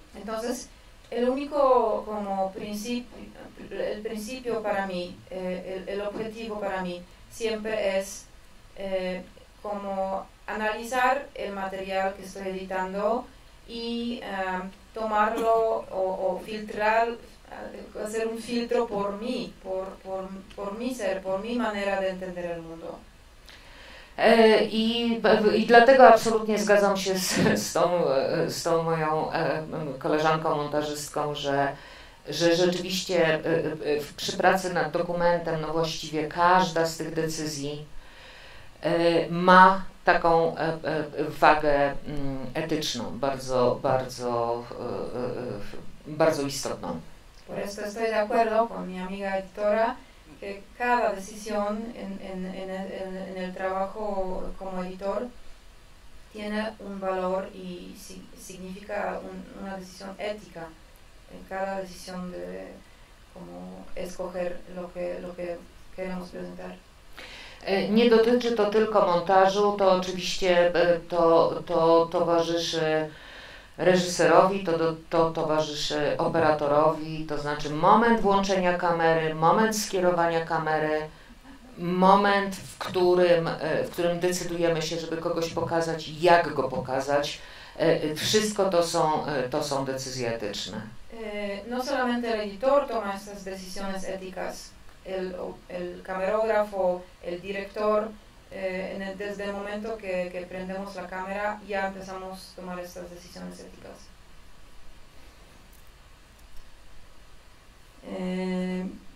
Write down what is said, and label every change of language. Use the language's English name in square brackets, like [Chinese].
[Spanish] Entonces, el único como principio para mí, el objetivo para mí siempre es como analizar el material que estoy editando y tomarlo o filtrar, hacer un filtro por mí, por mi ser, por mi manera de entender el mundo. [Polish] I dlatego absolutnie zgadzam się z tą moją koleżanką montażystką, że rzeczywiście przy pracy nad dokumentem, no właściwie każda z tych decyzji ma taką wagę etyczną, bardzo, bardzo, bardzo istotną. [Spanish] Por esto estoy de acuerdo con mi amiga editora, que cada decisión en el trabajo como editor tiene un valor y significa una decisión ética. En cada decisión de como escoger lo que queremos presentar. [Polish] Nie dotyczy to tylko montażu, to oczywiście to towarzyszy reżyserowi, to towarzyszy operatorowi, to znaczy moment włączenia kamery, moment skierowania kamery, moment, w którym decydujemy się, żeby kogoś pokazać, jak go pokazać, wszystko to są decyzje etyczne. [Spanish] No solamente el editor toma estas decisiones éticas. El camarógrafo, el director, desde el momento que prendemos la cámara, ya empezamos a tomar estas decisiones éticas.